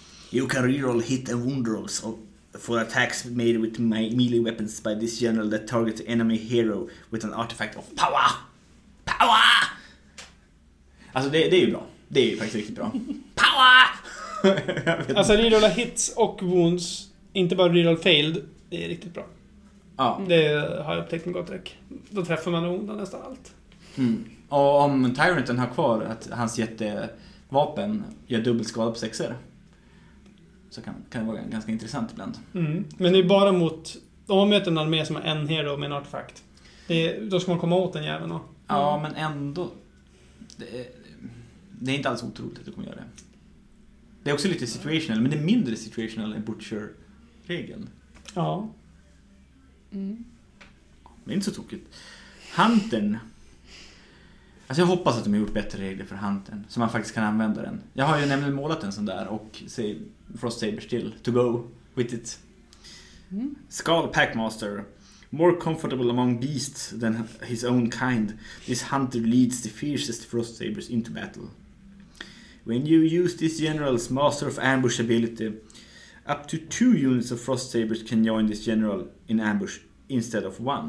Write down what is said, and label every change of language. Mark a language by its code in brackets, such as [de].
[en] You can reroll hit and wound rolls for attacks made with melee weapons by this general that targets enemy hero with an artifact of power. [sv] Power! Alltså det är ju bra. Det är ju faktiskt riktigt bra. [en] Power! [sv] Alltså reroll hits och wounds, inte bara reroll failed, det är riktigt bra. Ja. Det har jag upptäckt med Gotrek. Då träffar man onda nästan allt. Mm. Och om tyranten har kvar att hans jättevapen gör dubbelskada på sexer, så kan det vara ganska intressant ibland. Mm. Men det är bara mot, om man möter en armé som har en hero med en artefakt, då ska man komma åt den jäveln. Mm. Ja, men ändå, det är inte alls otroligt att du kommer göra det. Det är också lite situational, men det är mindre situational än butcher-regeln. Ja. Mm. Men inte så tokigt. Hunten. Alltså jag hoppas att de har gjort bättre regler för hunten, så man faktiskt kan använda den. Jag har ju nämligen målat en sån där och Frost Saber [en] still to go with it. [sv] Mm. Skull Packmaster. [en] More comfortable among beasts than his own kind, this hunter leads the fiercest Frost Sabers into battle. When you use this general's Master of Ambush ability, up to 2 units of Frost Sabers can join this general in ambush instead of 1.